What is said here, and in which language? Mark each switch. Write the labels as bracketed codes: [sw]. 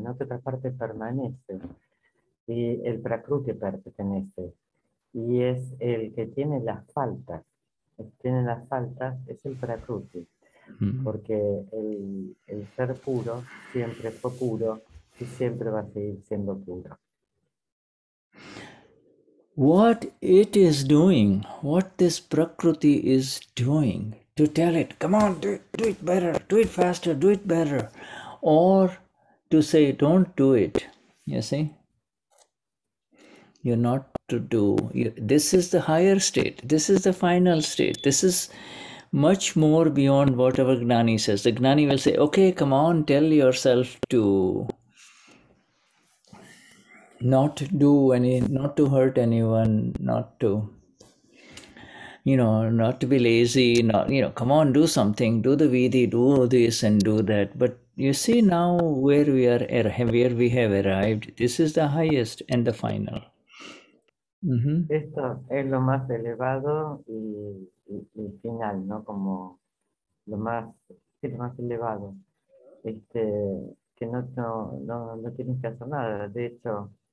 [es] ¿No? ¿Qué otra parte permanece? Y el prakruti pertenece. Y es el que tiene las faltas. El que tiene las faltas es el prakruti. Porque el ser puro siempre fue puro y siempre va a seguir siendo puro. [en] What it is doing, what this prakruti is doing, to tell it, come on, do it better, do it faster, do it better, or to say, don't do it, you see? You're not to do, this is the higher state, this is the final state, this is much more beyond whatever Gnani says. The Gnani will say, okay, come on, tell yourself to not do any, not to hurt anyone, not to, you know, not to be lazy, not, you know, come on, do something, do the vidhi, do this and do that. But you see now where we are, where we have arrived, this is the highest and the final. [es] Esto es lo más elevado y final, ¿no? Como lo más elevado. Que no tienes que hacer nada, de hecho.